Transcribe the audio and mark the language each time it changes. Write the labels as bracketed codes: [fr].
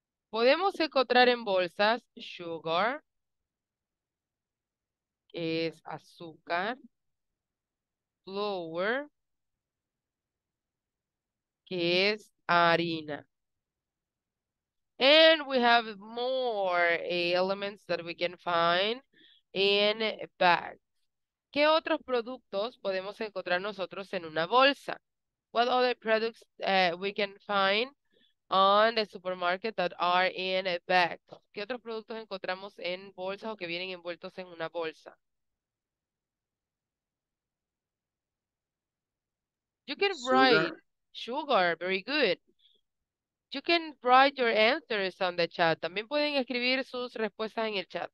[es] Podemos encontrar en bolsas sugar, que es azúcar, flour, que es harina. [en] And we have more elements that we can find in bags. [es] ¿Qué otros productos podemos encontrar nosotros en una bolsa? [en] What other products we can find on the supermarket that are in a bag? [es] ¿Qué otros productos encontramos en bolsa o que vienen envueltos en una bolsa? [en] You can write sugar, very good. You can write your answers on the chat. [es] También pueden escribir sus respuestas en el chat.